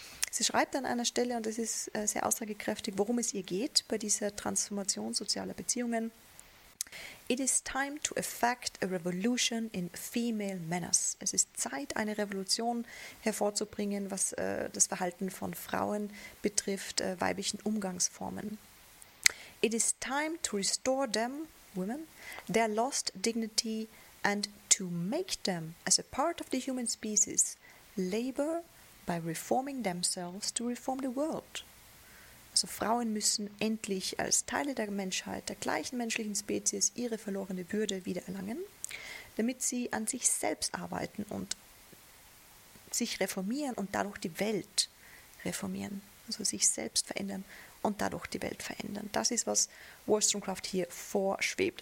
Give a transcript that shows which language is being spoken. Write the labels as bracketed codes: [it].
[de] Sie schreibt an einer Stelle, und das ist sehr aussagekräftig, worum es ihr geht bei dieser Transformation sozialer Beziehungen. [en] It is time to effect a revolution in female manners. [de] Es ist Zeit, eine Revolution hervorzubringen, was das Verhalten von Frauen betrifft, weiblichen Umgangsformen. [en] It is time to restore them, women, their lost dignity and to make them, as a part of the human species, labor by reforming themselves to reform the world. [de] Also Frauen müssen endlich als Teile der Menschheit, der gleichen menschlichen Spezies, ihre verlorene Würde wiedererlangen, damit sie an sich selbst arbeiten und sich reformieren und dadurch die Welt reformieren. Also sich selbst verändern und dadurch die Welt verändern. Das ist, was Wollstonecraft hier vorschwebt.